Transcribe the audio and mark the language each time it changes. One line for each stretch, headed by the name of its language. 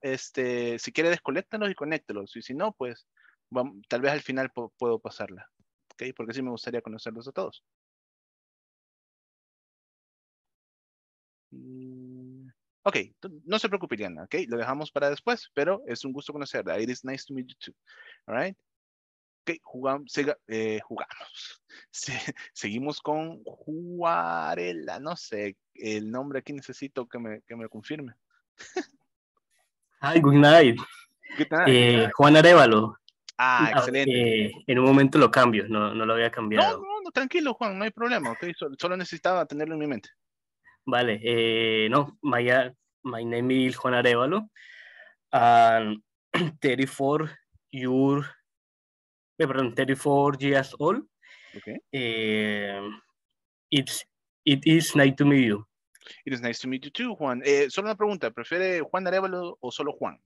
Spanish: Si quiere, desconéctalos y conéctalos. Y si no, pues, vamos, tal vez al final puedo pasarla. ¿Okay? Porque sí me gustaría conocerlos a todos. Ok, no se preocupe, Diana, ok, lo dejamos para después, pero es un gusto conocerla.
English: It is nice to meet you too, alright.
Spanish: Ok, jugamos, jugamos. Seguimos con Juarela, no sé el nombre aquí, necesito que me confirme.
English: Hi, good night.
Spanish: ¿Qué tal? Juan Arévalo. Ah, excelente. En un momento lo cambio, no lo había cambiado. No, tranquilo, Juan, no hay problema, ok, solo necesitaba tenerlo en mi mente.
English: Vale, my name is Juan Arevalo, and 34 years old. Okay. It is nice to meet you. It is nice to meet you too, Juan.
Spanish: Solo una pregunta, ¿prefiere Juan Arevalo o solo Juan?